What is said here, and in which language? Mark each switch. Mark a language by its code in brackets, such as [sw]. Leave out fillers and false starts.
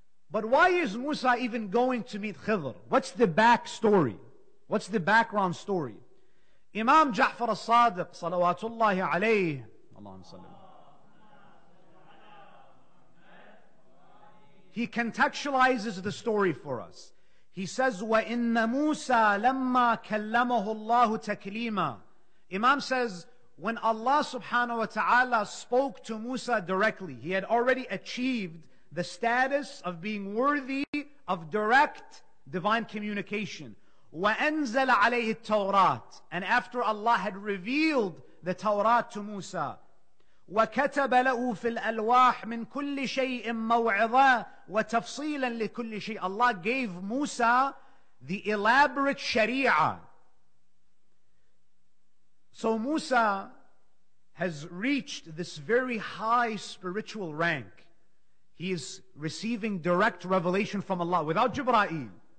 [en] But why is Musa even going to meet Khidr? What's the back story? What's the background story? Imam Ja'far al-Sadiq, salawatullahi alayhi, Allahumma salli. He contextualizes the story for us. He says, [ar] وَإِنَّ مُوسَى لَمَّا كَلَّمَهُ اللَّهُ تَكْلِيمًا. [en] Imam says, when Allah subhanahu wa ta'ala spoke to Musa directly, he had already achieved the status of being worthy of direct divine communication. [ar] وَأَنزَلَ عَلَيْهِ التَّوْرَاةِ. [en] And after Allah had revealed the Tawrat to Musa, [ar] وَكَتَبَ لَهُ فِي الْأَلْوَاحِ مِنْ كُلِّ شَيْءٍ مَوْعِظًا وَتَفْصِيلًا لِكُلِّ شَيْءٍ. [en] Allah gave Musa the elaborate sharia. So Musa has reached this very high spiritual rank. He is receiving direct revelation from Allah without Jibra'il.